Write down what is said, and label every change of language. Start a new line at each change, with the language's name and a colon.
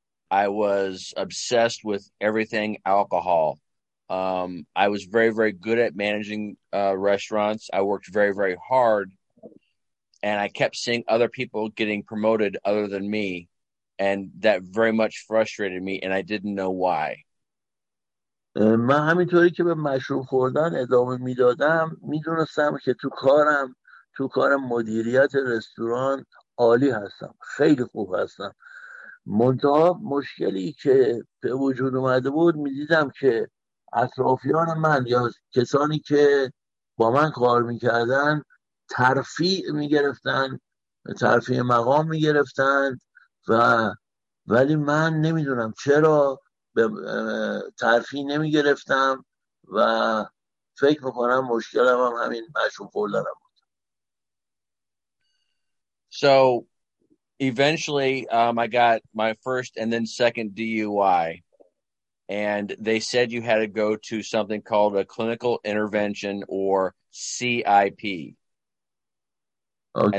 English: I was obsessed with everything alcohol. I was very, very good at managing restaurants. I worked very, very hard. And I kept seeing other people getting promoted other than me. And that very much frustrated me. And I didn't know why.
Persian: من همینطوری که به مشروب خوردن ادامه میدادم میدونستم که تو کارم مدیریت رستوران عالی هستم، خیلی خوب هستم. منتها مشکلی که به وجود اومده بود میدیدم که اطرافیان من یا کسانی که با من کار میکردن ترفیع میگرفتن، ترفیع مقام میگرفتن، و ولی من نمیدونم چرا ترفیع نمیگرفتم و فکر میکنم مشکلم هم همین مشروب خوردنم.
English: So eventually I got my first and then second DUI, and they said you had to go to something called a clinical intervention or CIP. Okay.